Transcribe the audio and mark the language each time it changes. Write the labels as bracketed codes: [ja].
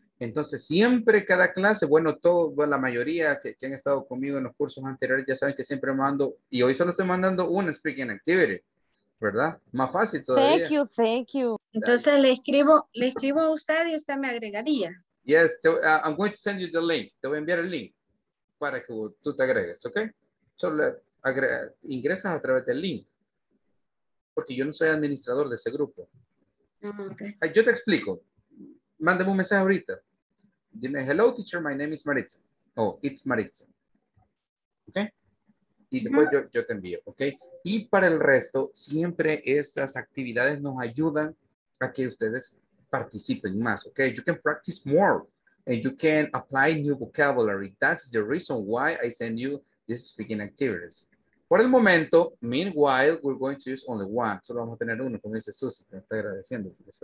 [es] Entonces, siempre cada clase, bueno, la mayoría que han estado conmigo en los cursos anteriores, ya saben que siempre mando, y hoy solo estoy mandando una speaking activity, ¿verdad? Más fácil todavía. [en] Thank you, thank you. [es] Entonces, le escribo a usted y usted me agregaría. [en] Yes, so I'm going to send you the link. [es] Te voy a enviar el link para que tú te agregues, ¿ok? Solo ingresas a través del link. Porque yo no soy administrador de ese grupo. [en] Okay. [es] Yo te explico. Mándame un mensaje ahorita. Dime, [en] hello teacher, my name is Maritza. Oh, it's Maritza. [es] ¿Ok? Y después yo te envío, ¿ok? Y para el resto, siempre estas actividades nos ayudan a que ustedes participen más, ¿ok? [en] You can practice more and you can apply new vocabulary. That's the reason why I send you these speaking activities. [es] Por el momento, [en] meanwhile, we're going to use only one. [es] Solo vamos a tener uno, como dice Susy, que me está agradeciendo.